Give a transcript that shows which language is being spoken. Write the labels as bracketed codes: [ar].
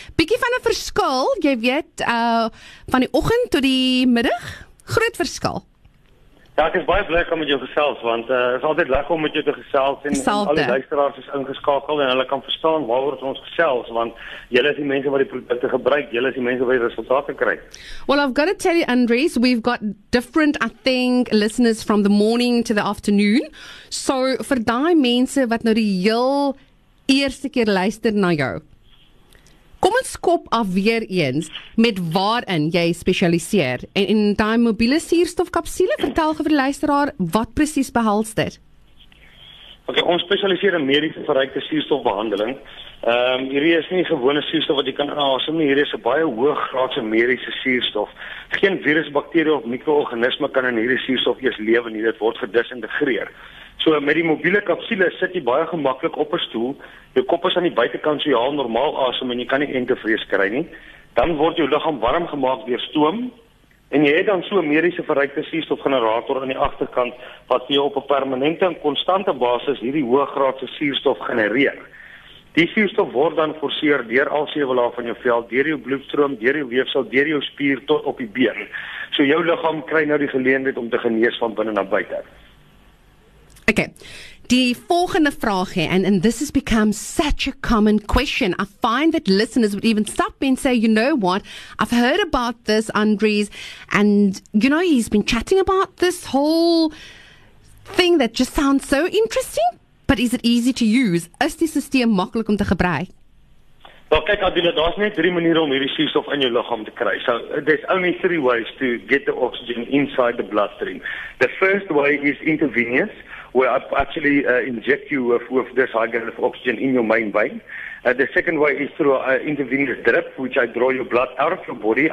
[af] Bietjie van 'n verskil, jy weet, van die oggend tot die middag, groot verskil. Ja, ek is baie bly om met jou gesels, want is altyd lekker om met jou te gesels en al die luisteraars is ingeskakel en hulle kan verstaan waaroor ons gesels, want julle is die mense wat die produkte gebruik, julle is die mense wat die resultate kry. [en] Well, I've got to tell you, Andries, we've got different, I think, listeners from the morning to the afternoon. [af] So, vir daai mense wat nou die heel eerste keer luister na jou. Kom ons skop af weer eens met waarin jy spesialiseer. En in daai mobiele suurstofkapsule, vertel vir die luisteraar wat presies behels dit. Okay, ons spesialiseer in mediese verrykte suurstofbehandeling. Hierdie is nie gewone suurstof wat jy kan asem nie. Hierdie is 'n baie hoë graadse mediese suurstof. Geen virus, bakterie of mikroorganisme kan in hierdie suurstof eers lewe nie. Dit word gedisintegreer. So met die mobiele kapsule sit jy baie gemaklik op 'n stoel. Jou kop is aan die buitekant, so jy haal normaal asem en jy kan nie entevrees kry nie. Dan word jou liggaam warm gemaak deur stoom en jy het dan so 'n mediese verrykte suurstofgenerator aan die agterkant wat jy op 'n permanente en konstante basis hierdie hoë graadse suurstof genereer. Die suurstof word dan geforseer deur al sewe lae van jou vel, deur jou bloedstroom, deur jou weefsel, deur jou spier tot op die been. So jou liggaam kry nou die geleentheid om te genees van binne na buite. [en] Okay, [af] die volgende vraag hier, [en] and this has become such a common question. I find that listeners would even stop me and say, you know what, I've heard about this, Andries, and you know, he's been chatting about this whole thing that just sounds so interesting, but is it easy to use? [af] Is die systeem makkelijk om te gebruik? Well, kijk Adila, daar is net drie maniere om hierdie suurstof in jou liggaam te kry. [en] So, there's only three ways to get the oxygen inside the bloodstream. The first way is intravenous, where I actually inject you with this high grade of oxygen in your main vein. The second way is through an intravenous drip, which I draw your blood out of your body.